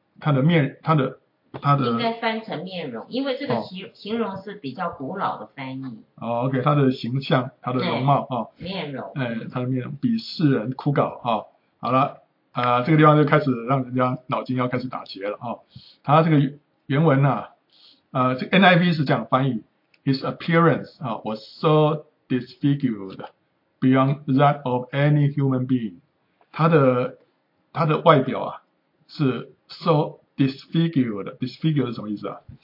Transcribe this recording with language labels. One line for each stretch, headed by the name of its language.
Chinese: 他的应该翻成面容，因为这个形容是比较古老的翻译。哦 ，OK, 他的形象，他的容貌啊，面容，他的面容比世人枯槁啊。好了。这个地方就开始让人家脑筋要开始打结了啊。他这个原文啊，这个 NIV 是这样翻译 ,
English: His appearance, was so disfigured beyond that of any human being.
Chinese: 他的外表啊是
English: so disfigured
Chinese: 是什么意思啊？